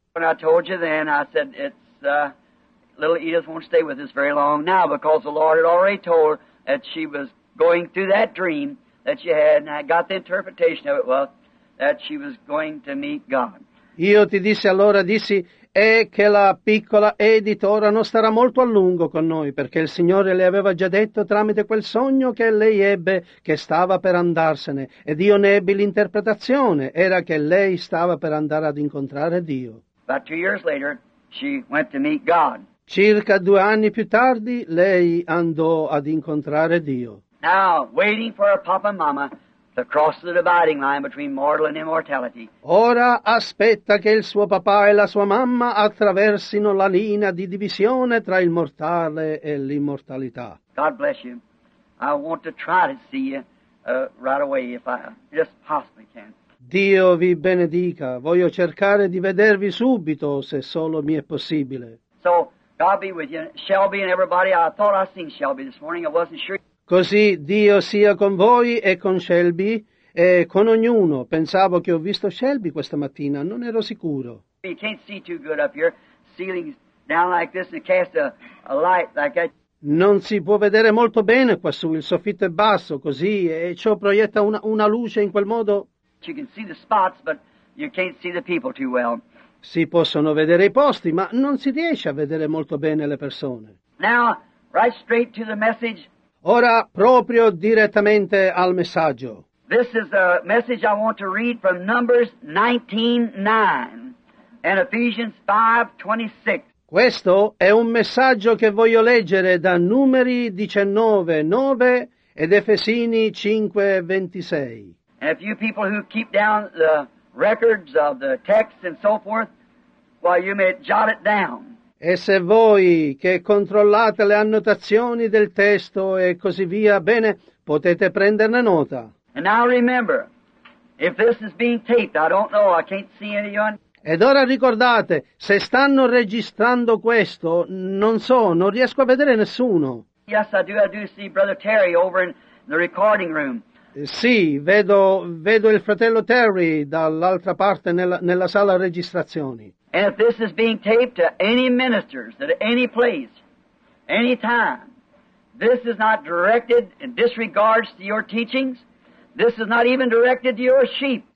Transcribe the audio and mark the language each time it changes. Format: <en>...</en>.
<en>When I told you then, I said it's little Edith won't stay with us very long now because the Lord had already told her that she was going through that dream that she had, and I got the interpretation of it was that she was going to meet God.</en> <it>Io ti dissi allora, dissi, è che la piccola Edith ora non starà molto a lungo con noi, perché il Signore le aveva già detto tramite quel sogno che lei ebbe che stava per andarsene, ed io ne ebbi l'interpretazione, era che lei stava per andare ad incontrare Dio.</it> <en>About 2 years later, she went to meet God.</en> <it>Circa 2 anni più tardi, lei andò ad incontrare Dio.</it> <en>Now, waiting for her papa and mama. Across the dividing line between mortal and immortality.</en> <it>Ora aspetta che il suo papà e la sua mamma attraversino la linea di divisione tra il mortale e l'immortalità.</it> <en>God bless you. I want to try to see you right away if I just possibly can.</en> <it>Dio vi benedica. Voglio cercare di vedervi subito se solo mi è possibile.</it> <en>So, God be with you. Shelby and everybody. I thought I seen Shelby this morning. I wasn't sure.</en> <it>Così Dio sia con voi e con Shelby e con ognuno. Pensavo che ho visto Shelby questa mattina, non ero sicuro.</it> <en>You can't see too good up here. Ceiling's down like this and cast a light like that.</en> <it>Non si può vedere molto bene quassù, il soffitto è basso, così, e ciò proietta una luce in quel modo.</it> <en>You can see the spots, but you can't see the people too well.</en> <it>Si possono vedere i posti, ma non si riesce a vedere molto bene le persone.</it> <en>Now, right straight to the message.</en> <it>Ora, proprio direttamente al messaggio.</it> <en>This is the message I want to read from Numbers 19:9 and Ephesians 5:26.</en> <it>Questo è un messaggio che voglio leggere da Numeri 19:9 ed Efesini 5:26.</it> <en>And a few people who keep down the records of the text and so forth, well, you may jot it down.</en> <it>E se voi che controllate le annotazioni del testo e così via, bene, potete prenderne nota.</it> <en>And now remember, if this is being taped, I don't know, I can't see anyone.</en> <it>Ed ora ricordate, se stanno registrando questo, non so, non riesco a vedere nessuno.</it> <en>Yes, I do see Brother Terry over in the recording room.</en> <it>Sì, vedo il fratello Terry dall'altra parte nella sala registrazioni.</it> <en>And if this is being taped to any ministers at any place, any time, this is not directed in disregards to your teachings, this is not even directed to your sheep.</en>